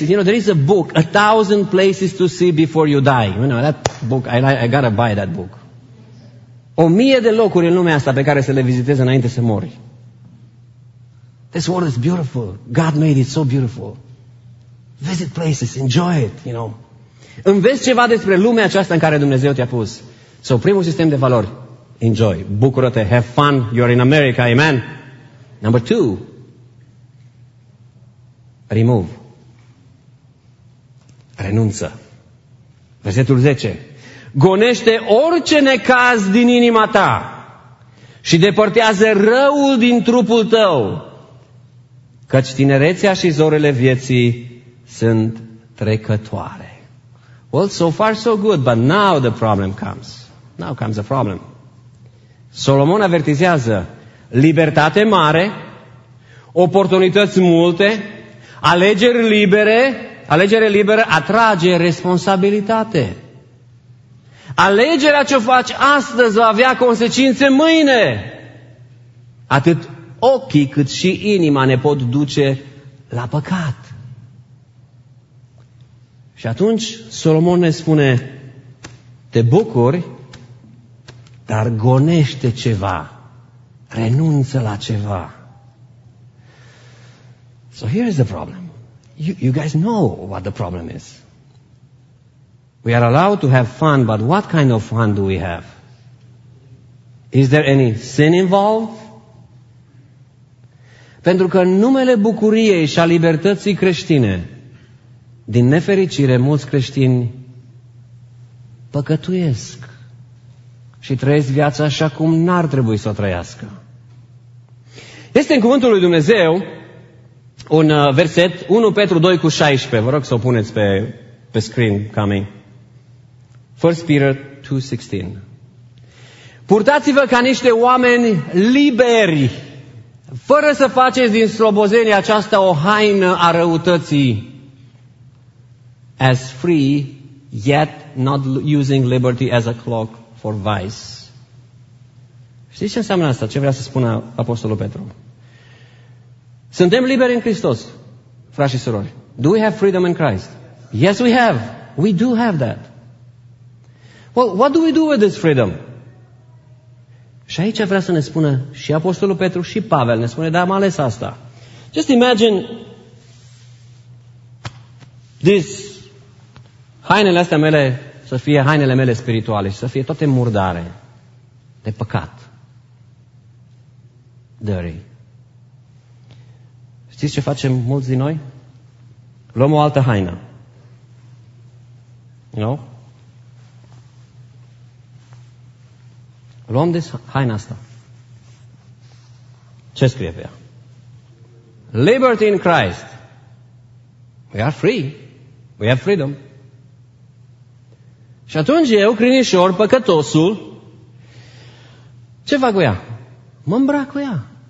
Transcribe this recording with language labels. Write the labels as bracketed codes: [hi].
[en] You know, there is a book, 1,000 places to see before you die. You know, that book, I gotta buy that book. [ro] 1,000 de locuri în lumea asta pe care să le vizitezi înainte să mori. [en] This world is beautiful. God made it so beautiful. Visit places, enjoy it, you know. [ro] Înveți ceva despre lumea aceasta în care Dumnezeu te-a pus. So, primul sistem de valori, enjoy. Bucură-te, [en] have fun, you're in America, amen. Number two, remove. [ro] Renunță. Versetul 10. Gonește orice necaz din inima ta și depărtează răul din trupul tău. Căci tinerețea și zorele vieții sunt trecătoare. [en] Well, so far so good, but now the problem comes. Now comes the problem. [ro] Solomon avertizează, libertate mare, oportunități multe, alegeri libere, alegere liberă atrage responsabilitate. Alegerea ce faci astăzi va avea consecințe mâine. Atât ochii cât și inima ne pot duce la păcat. Și atunci Solomon ne spune, te bucuri, dar gonește ceva, renunță la ceva. [en] So here is the problem. You guys know what the problem is. We are allowed to have fun, but what kind of fun do we have? Is there any sin involved? [ro] Pentru că în numele bucuriei și a libertății creștine, din nefericire, mulți creștini păcătuiesc și trăiesc viața așa cum n-ar trebui să o trăiască. Este în cuvântul lui Dumnezeu un verset, 1 Petru 2:16, vă rog să o puneți pe screen, coming. 1 Peter 2:16. Purtați-vă ca niște oameni liberi, fără să faceți din slobozenie aceasta o haină a răutății. [en] As free, yet not using liberty as a cloak for vice. [ro] Știți ce înseamnă asta? Ce vrea să spună Apostolul Petru? Suntem liberi în Hristos, frați și surori. [en] Do we have freedom in Christ? Yes, we have. We do have that. Well, what do we do with this freedom? [ro] Și aici vrea să ne spună și Apostolul Petru și Pavel, ne spune, dar am ales asta. [en] Just imagine this, [ro] hainele astea mele să fie hainele mele spirituale și să fie toate murdare de păcat. [en] Dirty. [ro] Știți ce facem mulți din noi? Luăm o altă haină. [en] No? [ro] Luăm haina asta. Ce scrie pe ea? [en] Liberty in Christ. We are free. We have freedom. [ro] Și atunci eu, crinișor, păcătosul, ce fac cu ea? Mă îmbrac cu ea.